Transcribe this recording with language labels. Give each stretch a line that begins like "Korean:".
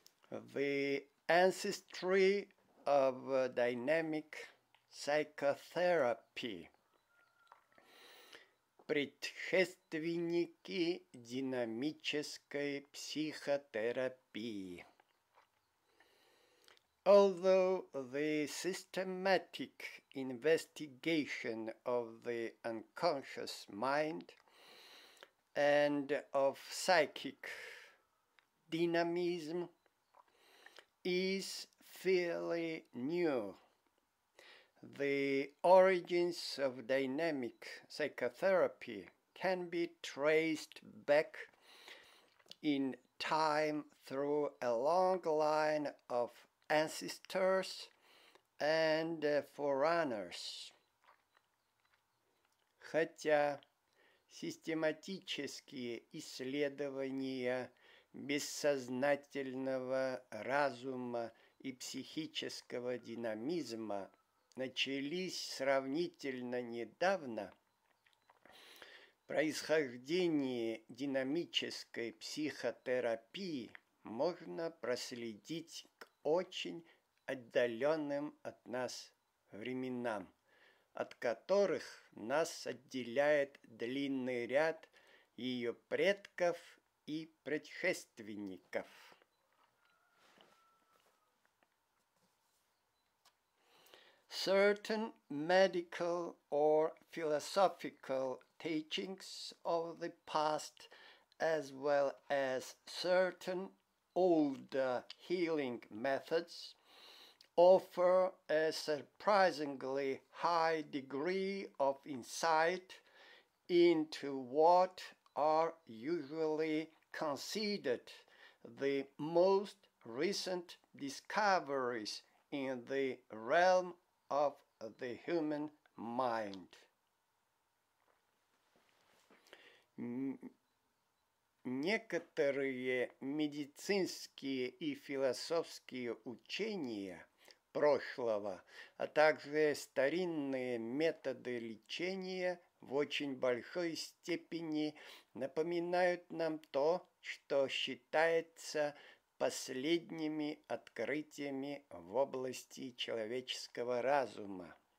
English: The Ancestry of Dynamic Psychotherapy.
Russian: Предшественники динамической психотерапии.
English: Although the systematic investigation of the unconscious mind and of psychic dynamism is fairly new, the origins of dynamic psychotherapy can be traced back in time through a long line of ancestors and forerunners.
Russian: Хотя систематические исследования бессознательного разума и психического динамизма начались сравнительно недавно, происхождение динамической психотерапии можно проследить к очень отдаленным от нас временам, от которых нас отделяет длинный ряд ее предков и предшественников.
English: Certain medical or philosophical teachings of the past, as well as certain older healing methods, offer a surprisingly high degree of insight into what are usually considered the most recent discoveries in the realm of the human mind.
Russian: Некоторые медицинские и философские учения прошлого, а также старинные методы лечения в очень большой степени напоминают нам то, что считается последними открытиями в области человеческого разума.